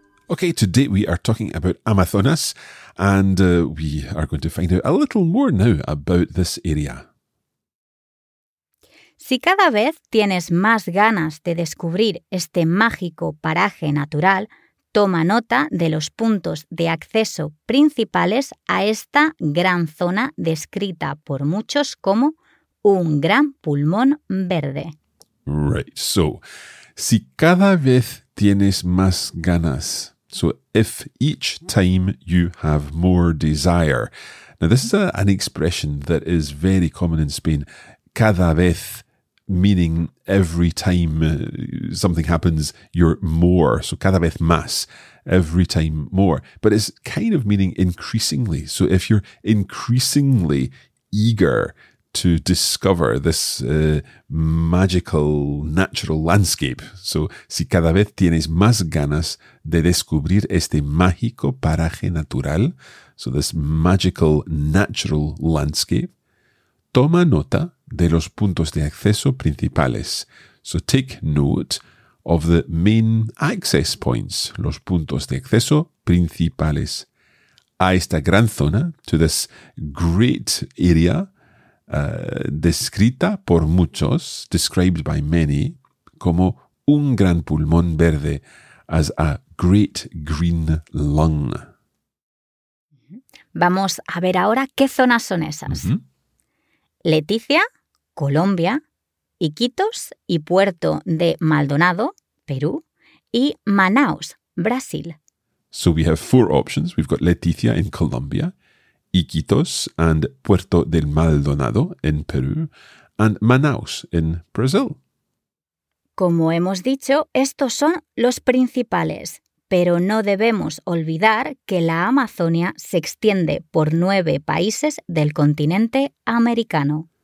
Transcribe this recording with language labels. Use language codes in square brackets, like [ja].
[en] Okay, today we are talking about Amazonas, and we are going to find out a little more now about this area. [es] Si cada vez tienes más ganas de descubrir este mágico paraje natural, toma nota de los puntos de acceso principales a esta gran zona descrita por muchos como un gran pulmón verde. [en] Right, so, [es] si cada vez tienes más ganas, [en] so if each time you have more desire. Now, this is an expression that is very common in Spain, cada vez. Meaning every time something happens, you're more. So [es] cada vez más, [en] every time more. But it's kind of meaning increasingly. So if you're increasingly eager to discover this magical natural landscape. [es] So si cada vez tienes más ganas de descubrir este mágico paraje natural, [en] so this magical natural landscape, [es] toma nota de los puntos de acceso principales. [en] So take note of the main access points, [es] los puntos de acceso principales a esta gran zona, [en] to this great area, [es] descrita por muchos, [en] described by many, [es] como un gran pulmón verde, [en] as a great green lung. [es] Vamos a ver ahora qué zonas son esas. Mm-hmm. Leticia, Colombia, Iquitos y Puerto de Maldonado, Perú, y Manaus, Brasil. [en] So we have four options. We've got Leticia in Colombia, Iquitos and Puerto del Maldonado in Peru, and Manaus in Brazil. [es] Como hemos dicho, estos son los principales, pero no debemos olvidar que la Amazonia se extiende por 9 países del continente americano.